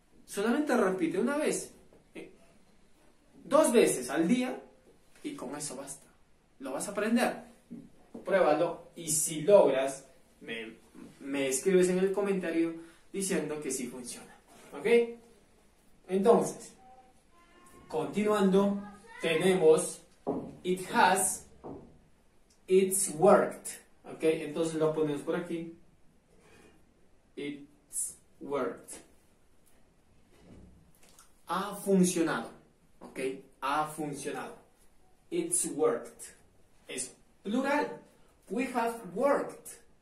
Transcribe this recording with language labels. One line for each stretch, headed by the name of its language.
Spanish: Solamente repite una vez, dos veces al día, y con eso basta. Lo vas a aprender. Pruébalo, y si logras, me escribes en el comentario diciendo que sí funciona. ¿Ok? Entonces, continuando, tenemos
English: it has, it's worked.
Spanish: ¿Ok? Entonces lo ponemos por aquí.
English: It's worked.
Spanish: Ha funcionado. ¿Ok? Ha funcionado.
English: It's worked.
Spanish: Es plural.
English: We have worked.